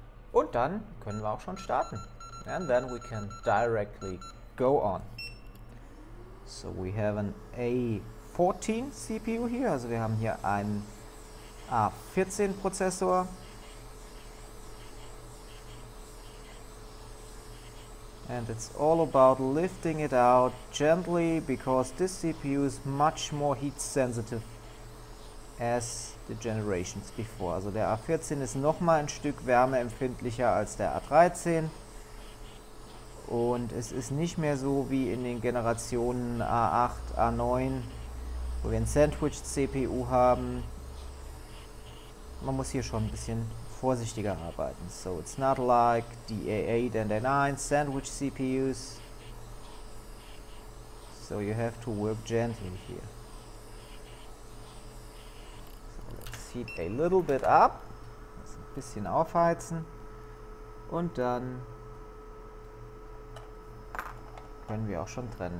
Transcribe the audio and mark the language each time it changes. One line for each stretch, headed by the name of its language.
German: Und dann können wir auch schon starten.
English: And then we can directly go on. So we have an A14 CPU here,
German: also wir haben hier einen A14 Prozessor.
English: And it's all about lifting it out gently, because this CPU is much more heat sensitive as the generations before.
German: Also der A14 ist nochmal ein Stück wärmeempfindlicher als der A13. Und es ist nicht mehr so wie in den Generationen A8, A9, wo wir ein Sandwich-CPU haben. Man muss hier schon ein bisschen vorsichtiger arbeiten.
English: So, it's not like the A8 and A9 Sandwich-CPUs. So, you have to work gently here. So, let's heat a little bit up.
German: Also ein bisschen aufheizen. Und dann können wir auch schon trennen.